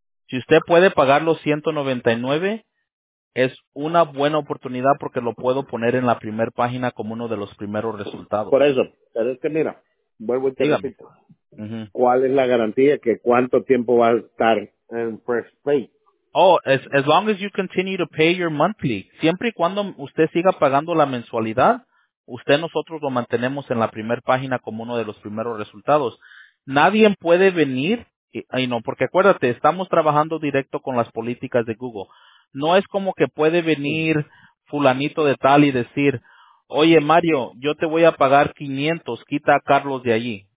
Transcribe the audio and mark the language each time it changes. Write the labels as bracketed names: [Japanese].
[Spanish] Si usted puede pagar los 199... Es una buena oportunidad porque lo puedo poner en la primera página como uno de los primeros resultados. Por eso, pero es que mira, vuelvo y te repito. ¿Cuál es la garantía que cuánto tiempo va a estar en [English] first pay? Oh, as long as you continue to pay your monthly. [Spanish] Siempre y cuando usted siga pagando la mensualidad, nosotros lo mantenemos en la primera página como uno de los primeros resultados. nadie puede venir, y no, porque acuérdate, estamos trabajando directo con las políticas de Google. No es como que puede venir fulanito de tal y decir, oye Mario, yo te voy a pagar 500, quita a Carlos de allí.